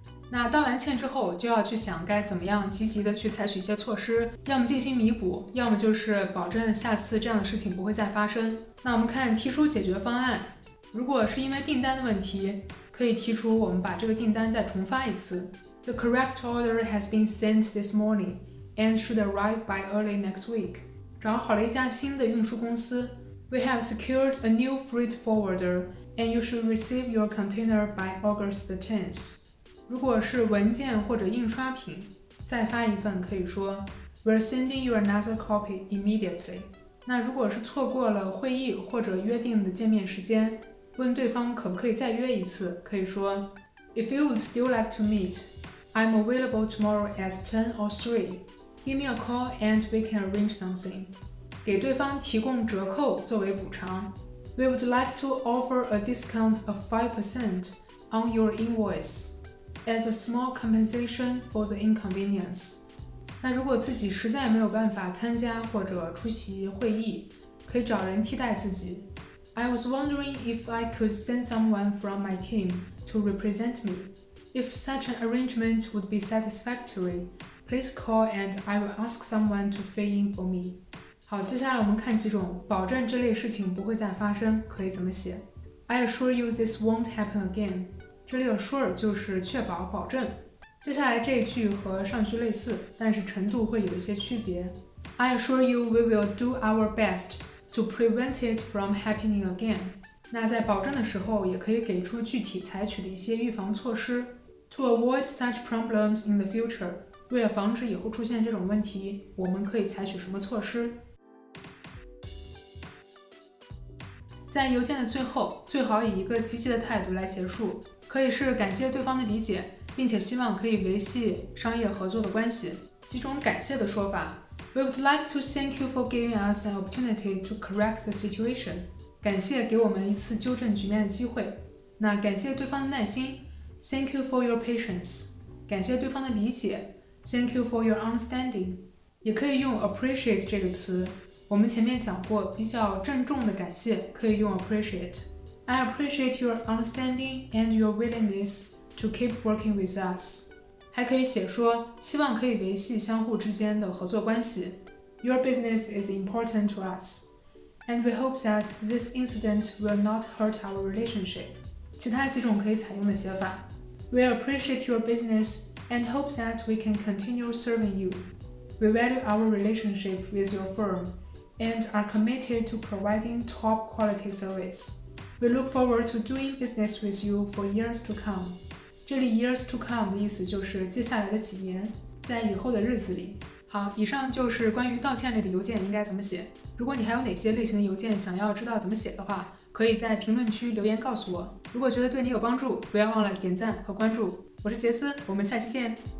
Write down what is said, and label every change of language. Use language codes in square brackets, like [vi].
[zh] 那道完歉之后，就要去想该怎么样积极的去采取一些措施，要么进行弥补，要么就是保证下次这样的事情不会再发生。那我们看提出解决方案，如果是因为订单的问题，可以提出我们把这个订单再重发一次。 [en] The correct order has been sent this morning and should arrive by early next week. [zh] 找好了一家新的运输公司。 [en] We have secured a new freight forwarder and you should receive your container by August the 10th. [zh] 如果是文件或者印刷品，再发一份可以说 [en] We're sending you another copy immediately. [zh] 那如果是错过了会议或者约定的见面时间，问对方可不可以再约一次，可以说 [en] If you would still like to meet, I'm available tomorrow at 10 or 3. Give me a call and we can arrange something. [zh] 给对方提供折扣作为补偿。 [en] We would like to offer a discount of 5% on your invoice as a small compensation for the inconvenience. [zh] 那如果自己实在没有办法参加或者出席会议，可以找人替代自己。 [en] I was wondering if I could send someone from my team to represent me. If such an arrangement would be satisfactory, please call and I will ask someone to fill in for me. [zh] 好，接下来我们看几种保证这类事情不会再发生，可以怎么写。 [en] I assure you this won't happen again. [zh] 这里 assure 就是确保、保证。接下来这一句和上句类似，但是程度会有一些区别。 [en] I assure you we will do our best. To prevent it from happening again. [zh] 那在保证的时候也可以给出具体采取的一些预防措施。 [en] To avoid such problems in the future. [zh] 为了防止以后出现这种问题，我们可以采取什么措施？在邮件的最后，最好以一个积极的态度来结束，可以是感谢对方的理解，并且希望可以维系商业合作的关系。几种感谢的说法， [en] We would like to thank you for giving us an opportunity to correct the situation. [zh] 感谢给我们一次纠正局面的机会。那感谢对方的耐心 , [en] thank you for your patience. [zh] 感谢对方的理解 , [en] thank you for your understanding. [zh] 也可以用 appreciate 这个词。我们前面讲过比较郑重的感谢可以用 appreciate. [en] I appreciate your understanding and your willingness to keep working with us. [zh] 还可以写说希望可以维系相互之间的合作关系。 [en] Your business is important to us, and we hope that this incident will not hurt our relationship. [zh] 其他几种可以采用的写法。 [en] We appreciate your business and hope that we can continue serving you. We value our relationship with your firm and are committed to providing top quality service. We look forward to doing business with you for years to come. [zh] 这里 years to come 的意思就是接下来的几年，在以后的日子里。好，以上就是关于道歉类的邮件应该怎么写。如果你还有哪些类型的邮件想要知道怎么写的话，可以在评论区留言告诉我。如果觉得对你有帮助，不要忘了点赞和关注。我是杰斯，我们下期见。